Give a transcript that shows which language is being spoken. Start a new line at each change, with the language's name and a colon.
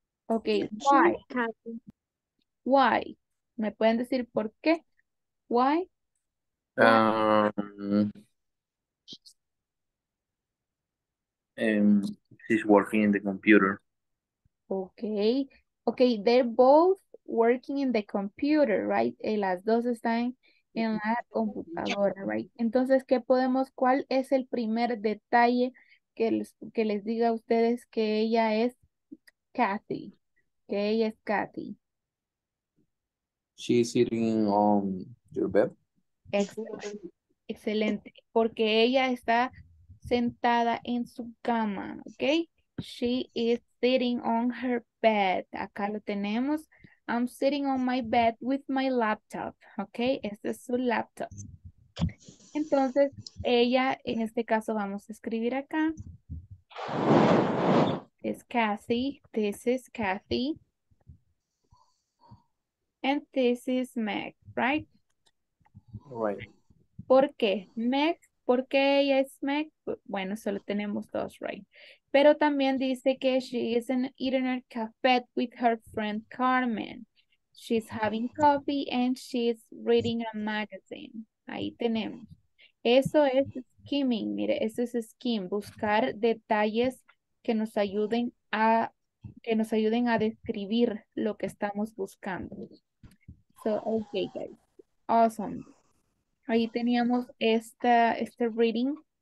English: Okay, why? Kathy. Why?
Spanish: ¿Me pueden decir por qué?
English: Why? She's working in the computer. Okay. Okay, they're both working in the computer, right?
Spanish: Y las dos están en la computadora,
English: right?
Spanish: Entonces, ¿qué podemos, cuál es el primer detalle que les diga a ustedes que ella es Kathy? Que ella es Kathy.
English: She's sitting on your bed.
Spanish: Excelente, porque ella está sentada en su cama, okay?
English: She is sitting on her bed.
Spanish: Acá lo tenemos.
English: I'm sitting on my bed with my laptop, okay?
Spanish: Este es su laptop. Entonces, ella, en este caso, vamos a escribir acá.
English: It's Kathy. This is Kathy. And this is Meg, right? Right.
Spanish: ¿Por qué? Meg, ¿por qué ella es Meg? Bueno, solo tenemos dos,
English: right?
Spanish: Pero también dice que
English: she is in an internet cafe with her friend Carmen. She's having coffee and she's reading a magazine.
Spanish: Ahí tenemos. Eso es skimming, mire, eso es skim, buscar detalles que nos ayuden a describir lo que estamos buscando.
English: So, okay, guys. Awesome.
Spanish: Ahí teníamos este
English: reading.